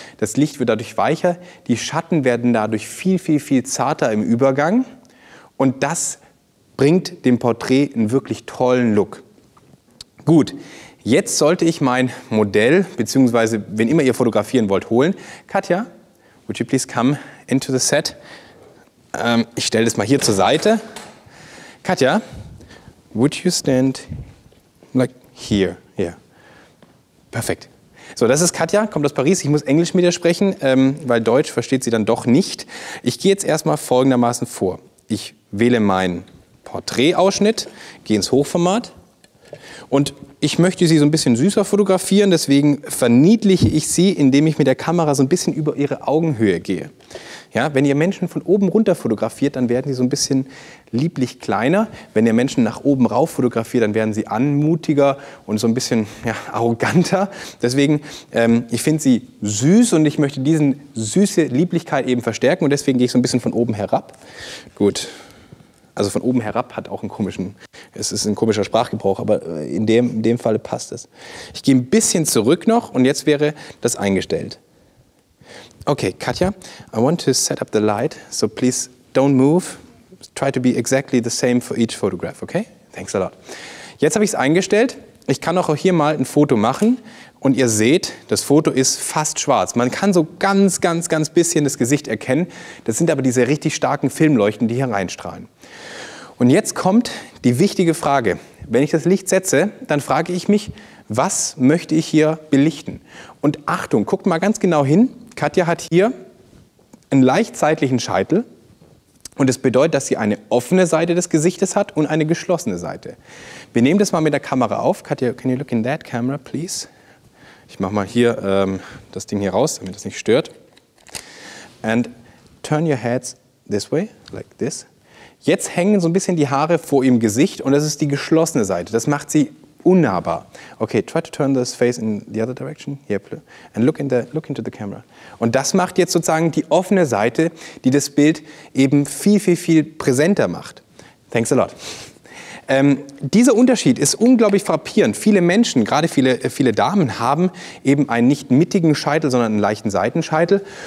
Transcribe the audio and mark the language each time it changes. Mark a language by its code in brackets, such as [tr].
[de] Das Licht wird dadurch weicher. Die Schatten werden dadurch viel, viel, viel zarter im Übergang. Und das bringt dem Porträt einen wirklich tollen Look. Gut. Jetzt sollte ich mein Modell, beziehungsweise wenn immer ihr fotografieren wollt, holen. [en] Katja, would you please come into the set? [de] Ich stelle das mal hier zur Seite. Katja, [en] would you stand like here? Yeah. [de] Perfekt. So, das ist Katja, kommt aus Paris. Ich muss Englisch mit ihr sprechen, weil Deutsch versteht sie dann doch nicht. Ich gehe jetzt erstmal folgendermaßen vor. Ich wähle meinen Porträtausschnitt, gehe ins Hochformat und ich möchte sie so ein bisschen süßer fotografieren, deswegen verniedliche ich sie, indem ich mit der Kamera so ein bisschen über ihre Augenhöhe gehe. Ja, wenn ihr Menschen von oben runter fotografiert, dann werden sie so ein bisschen lieblich kleiner. Wenn ihr Menschen nach oben rauf fotografiert, dann werden sie anmutiger und so ein bisschen arroganter. Deswegen, ich finde sie süß und ich möchte diesen süße Lieblichkeit eben verstärken und deswegen gehe ich so ein bisschen von oben herab. Gut. Also von oben herab hat auch einen komischen, es ist ein komischer Sprachgebrauch, aber in dem Fall passt es. Ich gehe ein bisschen zurück noch und jetzt wäre das eingestellt. [en] Okay, Katja, I want to set up the light, so please don't move. Try to be exactly the same for each photograph, okay? Thanks a lot. [de] Jetzt habe ich es eingestellt. Ich kann auch hier mal ein Foto machen und ihr seht, das Foto ist fast schwarz. Man kann so ganz, ganz, ganz bisschen das Gesicht erkennen. Das sind aber diese richtig starken Filmleuchten, die hier reinstrahlen. Und jetzt kommt die wichtige Frage. Wenn ich das Licht setze, dann frage ich mich, was möchte ich hier belichten? Und Achtung, guckt mal ganz genau hin. Katja hat hier einen leicht seitlichen Scheitel. Und das bedeutet, dass sie eine offene Seite des Gesichtes hat und eine geschlossene Seite. Wir nehmen das mal mit der Kamera auf. [en] Katja, can you look in that camera, please? [de] Ich mache mal hier das Ding hier raus, damit das nicht stört. [en] And turn your heads this way, like this. [de] Jetzt hängen so ein bisschen die Haare vor ihrem Gesicht und das ist die geschlossene Seite. Das macht sie unnahbar. [en] Okay, try to turn this face in the other direction. Here, and look into the camera. [de] Und das macht jetzt sozusagen die offene Seite, die das Bild eben viel, viel, viel präsenter macht. [en] Thanks a lot. [de] Dieser Unterschied ist unglaublich frappierend. Viele Menschen, gerade viele Damen, haben eben einen nicht mittigen Scheitel, sondern einen leichten Seitenscheitel.